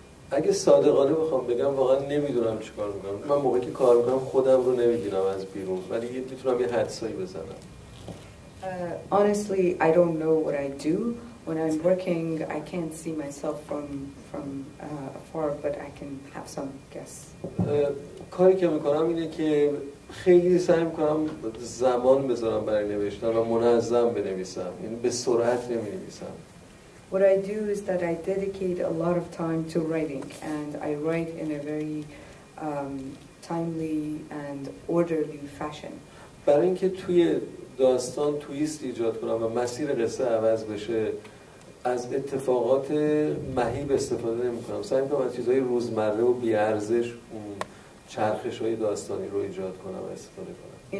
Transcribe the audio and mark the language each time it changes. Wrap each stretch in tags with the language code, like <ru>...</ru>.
<fa>اگه صادقانه بخوام بگم واقعا نمیدونم چیکار میکنم. من موقعی که کار میکنم خودم رو نمیدونم از بیرون، ولی میتونم یه حدسایی بزنم.</fa> <en>Honestly, I don't know what I do when I'm working. I can't see myself from afar, but I can have some guess.</en> <fa>کاری که میکنم اینه که خیلی سعی میکنم زمان بذارم برای نوشتن و منظم بنویسم، یعنی به سرعت نمینویسم.</fa> <en>What I do is that I dedicate a lot of time to writing, and I write in a very timely and orderly fashion.</en> <fa>برای اینکه توی داستان تویست ایجاد کنم و مسیر قصه عوض بشه، از اتفاقات مهیب استفاده نمی‌کنم. سعی می‌کنم از چیزهای روزمره و بی‌ارزش اون چرخش‌های داستانی رو ایجاد کنم و استفاده کنم.</fa>